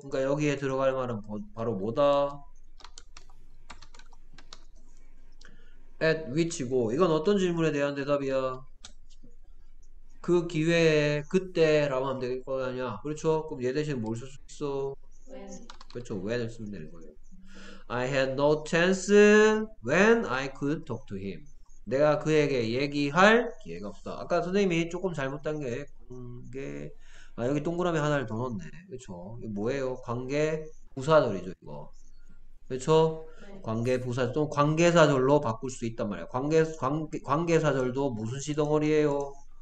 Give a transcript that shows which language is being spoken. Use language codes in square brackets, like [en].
[ko] 그러니까 여기에 들어갈 말은 바로 뭐다? [en] at which [ko] 고 이건 어떤 질문에 대한 대답이야? 그 기회에 그때라고 하면 될거 아니야. 그렇죠? 그럼 얘 대신 뭘쓸수 있어? 그쵸? when을 쓰면 되는 거예요. [en] I had no chance when I could talk to him. [ko] 내가 그에게 얘기할 기회가 없다. 아까 선생님이 조금 잘못된 게, 아, 여기 동그라미 하나를 더 넣었네. 그쵸? 이거 뭐예요? 관계 부사절이죠, 이거. 그쵸? 관계 부사절, 또 관계사절로 바꿀 수 있단 말이야. 관계사절도 무슨 시 덩어리예요?